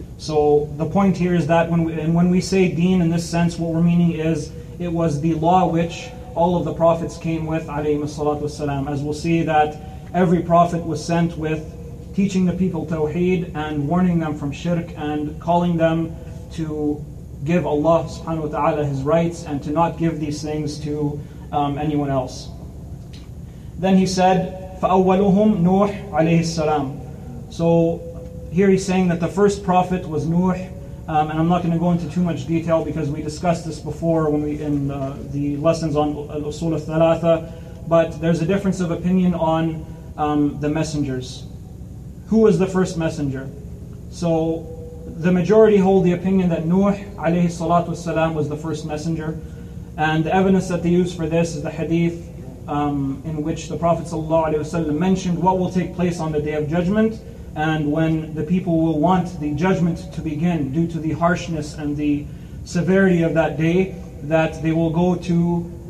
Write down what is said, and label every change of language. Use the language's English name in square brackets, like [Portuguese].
[English] So the point here is that when we say deen in this sense, what we're meaning is it was the law which all of the prophets came with, alayhi salatu wassalam. As we'll see that every prophet was sent with teaching the people tawheed and warning them from shirk and calling them to give Allah subhanahu wa ta'ala his rights and to not give these things to anyone else. Then he said, [Arabic] فَأَوَّلُهُمْ نُوح عَلَيْهِ السَّلَامُ. [English] So here he's saying that the first prophet was Nuh, and I'm not going to go into too much detail because we discussed this before when we in the lessons on Usul al-Thalatha, but there's a difference of opinion on the messengers. Who was the first messenger? So the majority hold the opinion that Nuh alayhi salatu wassalam was the first messenger, and the evidence that they use for this is the hadith in which the Prophet sallallahu alayhi wasallam mentioned what will take place on the Day of Judgment and when the people will want the judgment to begin due to the harshness and the severity of that day, that they will go to